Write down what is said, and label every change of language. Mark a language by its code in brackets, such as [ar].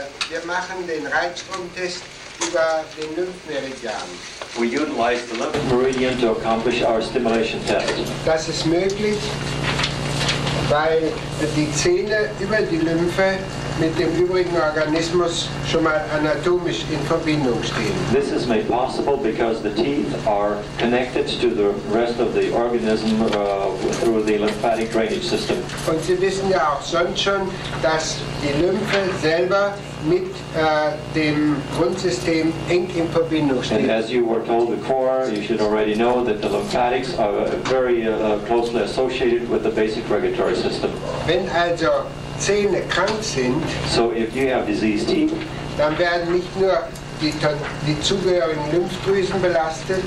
[de] Wir machen den Reinstromtest über den Lymphmeridian. [en] We utilize the lymph meridian to accomplish our stimulation test. [de] Das ist möglich, weil die Zähne über die Lymphe mit dem übrigen Organismus schon mal anatomisch in Verbindung stehen. [en] This is made possible because the teeth are connected to the rest of the organism through the lymphatic drainage system. [de] Und Sie wissen ja auch sonst schon, dass die Lymphe selber mit dem Grundsystem eng in Verbindung steht. [en] And as you were told before, you should already know that the lymphatics are very closely associated with the basic regulatory system. [de] Wenn also Zähne krank sind, [en] so if you have diseased teeth, [de] dann werden nicht nur die zugehörigen Lymphdrüsen belastet,